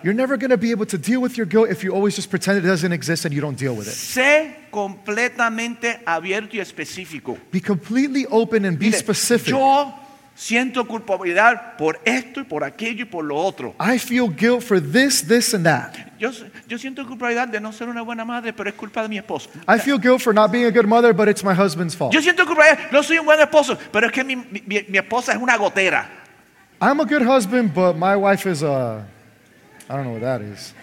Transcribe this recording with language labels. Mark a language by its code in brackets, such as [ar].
[en] You're never going to be able to deal with your guilt if you always just pretend it doesn't exist and you don't deal with it. [es] Sé completamente abierto y específico. [en] Be completely open and be [es] mire, [en] specific. [es] Yo siento culpabilidad por esto y por aquello y por lo otro. [en] I feel guilt for this, this, and that. [es] Yo siento culpabilidad de no ser una buena madre, pero es culpa de mi esposo. [en] I feel guilt for not being a good mother, but it's my husband's fault. [es] Yo siento culpabilidad, no soy un buen esposo, pero es que mi esposa es una gotera. [en] I'm a good husband, but my wife is a, I don't know what that is.